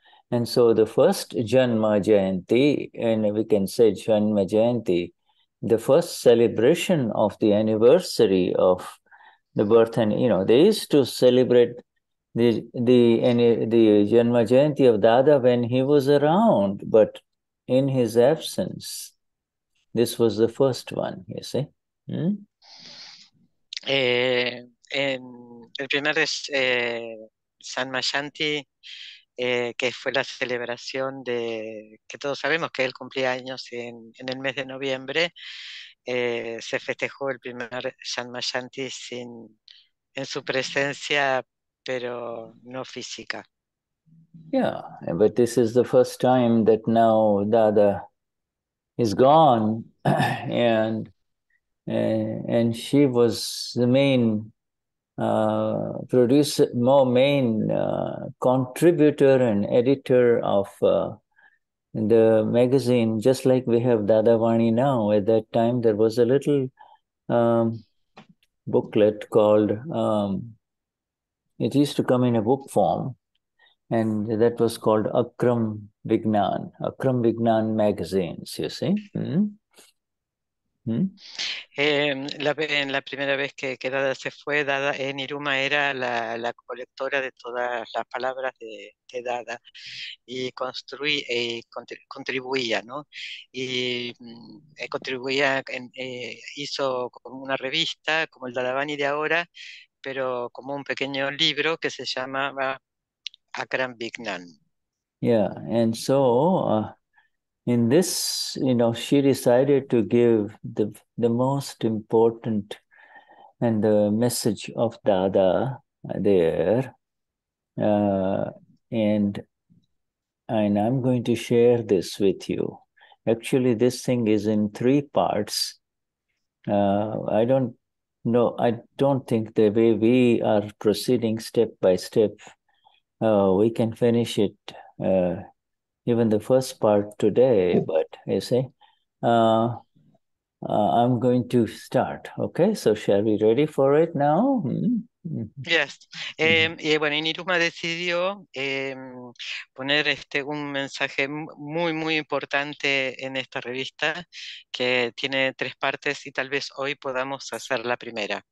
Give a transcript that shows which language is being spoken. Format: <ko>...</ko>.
<en>And so the first Janma Jayanti, and we can say Janma Jayanti, the first celebration of the anniversary of the birth, and you know, they used to celebrate the Janma Jayanti of Dada when he was around, but in his absence, this was the first one, you see. Hmm?</en> <es>El primer es Janma Jayanti, que fue la celebración de que todos sabemos que él cumplía años en el mes de noviembre. Se festejó el primer Janma Jayanti en su presencia, pero no física.</es> <en>Yeah, but this is the first time that now Dada is gone, and she was the main produce more main contributor and editor of the magazine, just like we have Dadavani now. At that time, there was a little booklet called, it used to come in a book form, and that was called Akram Vignan, Akram Vignan Magazines, you see. Mm-hmm.</en> <es>La primera vez que Dada se fue, Dada Niruma era la colectora de todas las palabras de Dada y contribuía, ¿no? Y contribuía, hizo como una revista, como el Dadavani de ahora, pero como un pequeño libro que se llamaba Akram Vignan.</es> <en>Yeah, and so... In this, you know, she decided to give the most important and the message of Dada there. And I'm going to share this with you. Actually, this thing is in three parts. I don't think the way we are proceeding step by step, we can finish it even the first part today, but you see, I'm going to start. Okay, so shall we be ready for it now? Mm-hmm. Yes.</en> <es>Y bueno, Niruma decidió poner un mensaje muy, muy importante en esta revista, que tiene tres partes, y tal vez hoy podamos hacer la primera.</es>